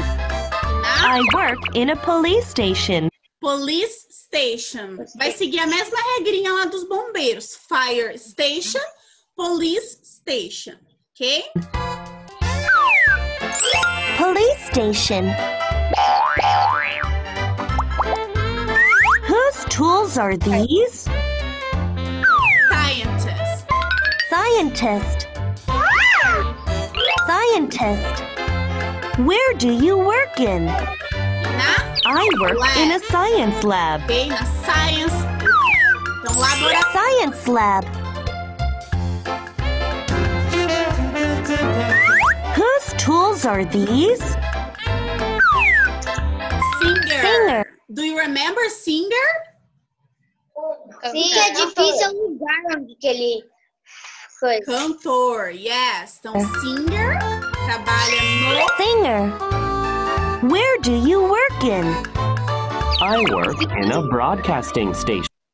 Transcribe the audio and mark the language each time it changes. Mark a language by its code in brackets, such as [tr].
[en] I work in a police station. Police station. station. [pt] Vai seguir a mesma regrinha lá dos bombeiros. [en] Fire station, police station. Ok? Police station. Whose tools are these? Scientist. Scientist. Scientist. Where do you work in? I work in a science lab. Okay, na science lab. Science lab. Whose tools are these? Singer. Singer. Do you remember Singer? [pt] Sim, é difícil o lugar onde que ele foi. Cantor, yes. Então, Singer trabalha no... [en] Singer. Where do you work in? I work in a broadcasting station.